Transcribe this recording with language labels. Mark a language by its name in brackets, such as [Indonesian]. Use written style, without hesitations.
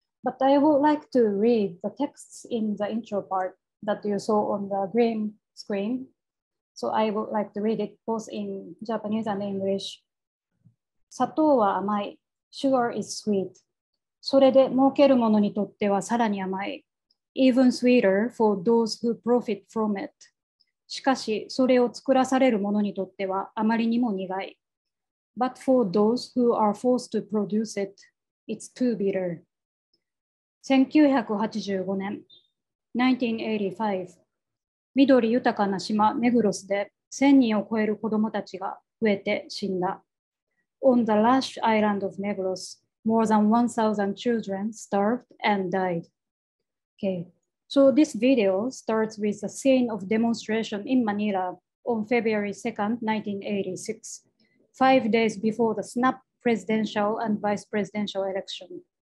[English] But I would like to read the texts in the intro part that you saw on the green screen. So I would like to read it both in Japanese and English. [Japanese] Sato wa amai. [English] Sugar is sweet. [Japanese] Sore de moukeru mono ni totte wa sarani amai. [English] Even sweeter for those who profit from it. [Japanese] しかし、それを作らされる者にとってはあまりにも苦い。 [English] But for those who are forced to produce it, it's too bitter. [Japanese] 1985, 緑豊かな島ネグロスで1000人を超える子供たちが飢えて死んだ。 [English] On the lush island of Negros, more than 1,000 children starved and died. Okay, so this video starts with a scene of demonstration in Manila on February 2nd, 1986, 5 days before the snap presidential and vice presidential election.